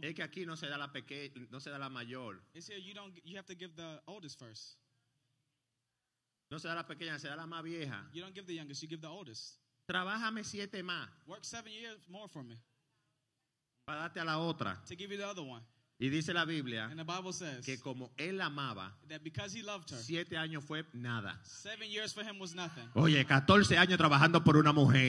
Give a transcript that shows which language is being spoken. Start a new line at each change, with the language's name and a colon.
Spanish: Es que aquí no se da la pequeña, no se da la mayor.
English: It's here, you have to give the oldest first.
Spanish: No se da la pequeña, se da la más vieja.
English: You don't give the youngest, you give the oldest.
Spanish: Trabájame 7 más.
English: Work 7 years more for me.
Spanish: Para darte a la otra.
English: To give you the other one.
Spanish: Y dice la Biblia.
English: And the Bible says.
Spanish: Que como él amaba.
English: That because he loved her.
Spanish: 7 años fue nada.
English: 7 years for him was nothing.
Spanish: Oye, 14 años trabajando por una mujer.